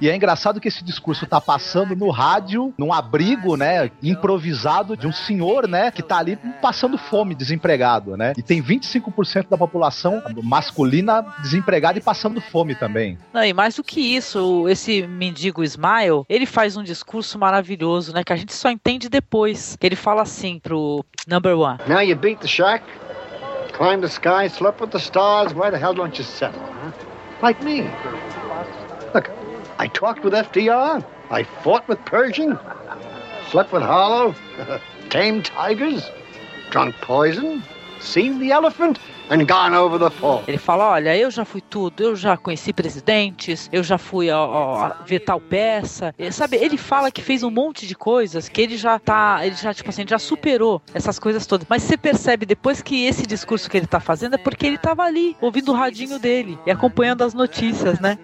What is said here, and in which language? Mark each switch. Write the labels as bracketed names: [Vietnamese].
[Portuguese] E é engraçado que esse discurso tá passando no rádio, num abrigo, né, improvisado, de um senhor, né, que tá ali passando fome, desempregado, né? E tem 25% da população masculina desempregada e passando fome também. Não, e mais do que isso, esse mendigo Smile, ele faz um discurso maravilhoso, né, que a gente só entende depois. Que ele fala assim pro Number One. [English] Now you beat the shark. Climb the sky, slept with the stars, why the hell don't you settle, huh? Like me. Look, I talked with FDR, I fought with Pershing, slept with Harlow, tamed tigers, drunk poison, seen the elephant, and gone over the fall. [Portuguese] Ele fala, olha, eu já fui tudo, eu já conheci presidentes, eu já fui ver tal peça. Sabe, ele fala que fez um monte de coisas, que ele já superou essas coisas todas. Mas você percebe depois que esse discurso que ele tá fazendo é porque ele tava ali, ouvindo o radinho dele e acompanhando as notícias, né?